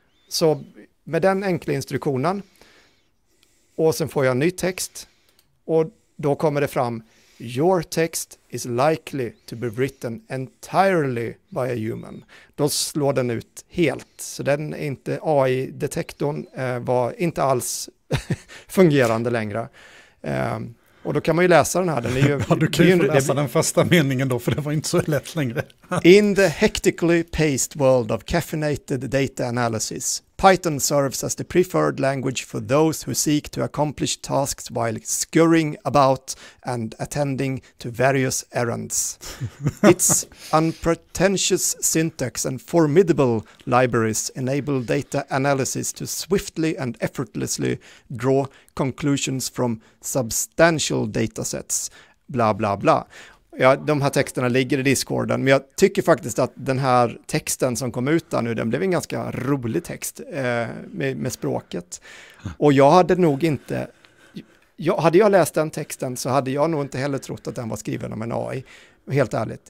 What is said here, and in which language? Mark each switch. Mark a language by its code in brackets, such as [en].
[sv] Så med den enkla instruktionen, och sen får jag en ny text, och då kommer det fram: [en] your text is likely to be written entirely by a human. [sv] Då slår den ut helt. Så den är inte, AI-detektorn var inte alls fungerande längre. Och då kan man ju läsa den här. Den är ju, ja, du kan ju läsa den första meningen då, för det var inte så lätt längre. [en] In the hectically paced world of caffeinated data analysis, Python serves as the preferred language for those who seek to accomplish tasks while scurrying about and attending to various errands. Its unpretentious syntax and formidable libraries enable data analysis to swiftly and effortlessly draw conclusions from substantial datasets. Bla bla bla. [sv] Ja, de här texterna ligger i Discorden, men jag tycker faktiskt att den här texten som kom ut där nu, den blev en ganska rolig text med språket. Och jag hade nog inte, hade jag läst den texten så hade jag nog inte heller trott att den var skriven av en AI, helt ärligt.